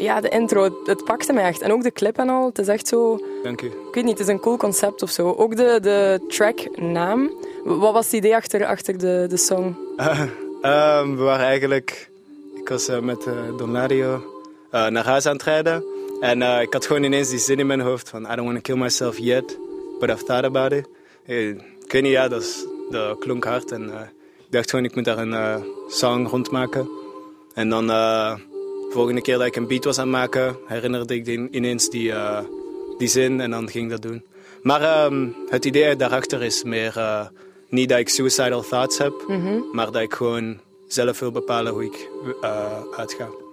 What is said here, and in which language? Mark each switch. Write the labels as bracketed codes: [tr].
[nl] Ja, de intro, het pakte me echt. En ook de clip en al, het is echt zo... Dank u. Ik weet niet, het is een cool concept of zo. Ook de tracknaam. Wat was het idee achter de song? We waren eigenlijk... Ik was met Don Lario naar huis aan het rijden. En ik had gewoon ineens die zin in mijn hoofd van... [en] I don't want to kill myself yet, but I've thought about it. [nl] Ik weet niet, ja, dat klonk hard. En ik dacht gewoon, ik moet daar een song rondmaken. En dan de volgende keer dat ik een beat was aan het maken, herinnerde ik ineens die zin en dan ging ik dat doen. Maar het idee daarachter is meer niet dat ik [en] suicidal thoughts [nl] heb, maar dat ik gewoon zelf wil bepalen hoe ik uitga.